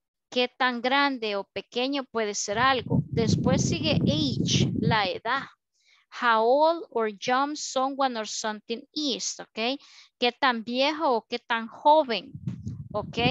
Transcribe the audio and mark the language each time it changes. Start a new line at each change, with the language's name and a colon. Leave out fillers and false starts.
Spanish: ¿Qué tan grande o pequeño puede ser algo? Después sigue age, la edad.
English: How old or young someone or something is, ok?
Spanish: ¿Qué tan viejo o qué tan joven, ok?